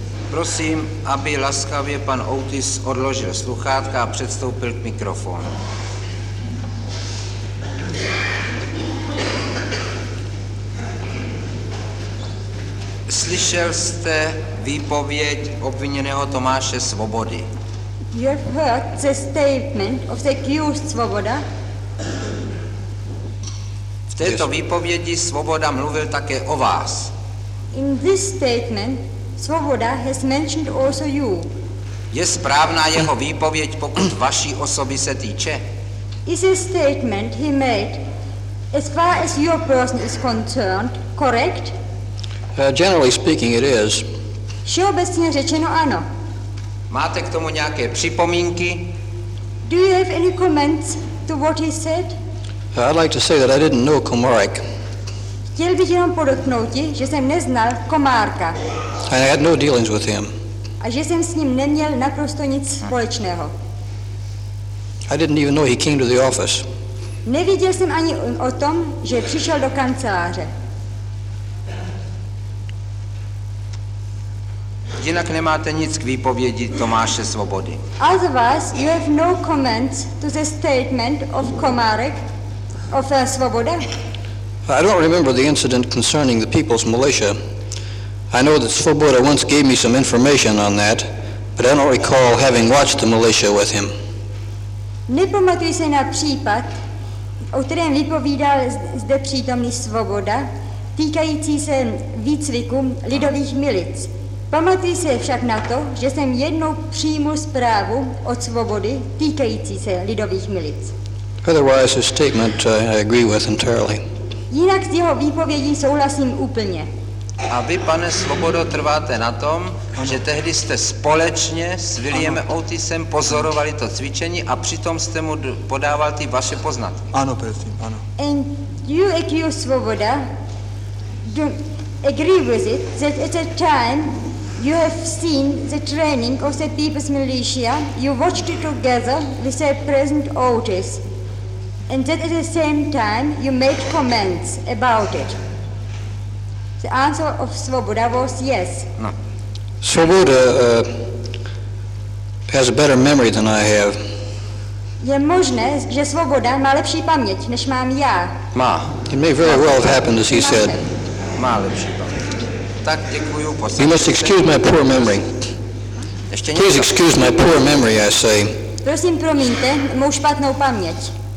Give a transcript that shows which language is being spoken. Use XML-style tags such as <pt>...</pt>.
<cs>Prosím, aby laskavě pan Otis odložil sluchátka a předstoupil k mikrofonu. Slyšel jste výpověď obviněného Tomáše Svobody?</cs> <en>You heard the statement of the accused Svoboda?</en> <cs>V této výpovědi Svoboda mluvil také o vás.</cs> <en>In this statement Svoboda has mentioned also you.</en> <cs>Je správná jeho výpověď, pokud vaší osoby se týče?</cs> <en>Is the statement he made, as far as your person is concerned, correct? Generally speaking, it is.</en> <cs>Všeobecně řečeno, ano. Máte k tomu nějaké připomínky?</cs> <en>Do you have any comments to what he said? I'd like to say that I didn't know Komárek.</en> <cs>Chtěl bych jenom podotknout, že jsem neznal Komárka.</cs> <en>I had no dealings with him.</en> <cs>A že jsem s ním neměl naprosto nic společného.</cs> <en>I didn't even know he came to the office.</en> <cs>Nevěděl jsem ani o tom, že přišel do kanceláře. Jinak nemáte nic k výpovědi Tomáše Svobody.</cs> <en>Otherwise, you have no comments to the statement of Komárek, of Svoboda. I don't remember the incident concerning the People's Militia. I know that Svoboda once gave me some information on that, but I don't recall having watched the militia with him.</en> <cs>Nepamatuji se na případ, o kterém vypovídal zde přítomný Svoboda, týkající se výcviku lidových milic. Pamatuji se však na to, že jsem jednou přijmul zprávu od Svobody týkající se lidových milic.</cs> <en>Otherwise, his statement I agree with entirely.</en> <cs>Jinak s jeho výpovědí souhlasím úplně. A vy, pane Svobodo, trváte na tom, ano, že tehdy jste společně s William Otisem pozorovali to cvičení a přitom jste mu podával ty vaše poznatky. Ano, prosím, ano.</cs> <en>And you, Ekio Svoboda, do agree with it that at that time you have seen the training of the people's militia, you watched it together with their present Otis, and that at the same time you made comments about it. The answer of Svoboda was yes. No. Svoboda has a better memory than I have.</en> <cs>Je možné, že Svoboda má lepší paměť, než mám já. Má.</cs> <en>It may very well have happened, as he said.</en> <cs>Má lepší paměť. Tak děkuju, posledně.</cs> <en>You must excuse my poor memory.</en> <cs>Ještě</cs> <en>please excuse my poor memory, I say.</en> <cs>Prosím, promiňte, mou špatnou paměť.</cs>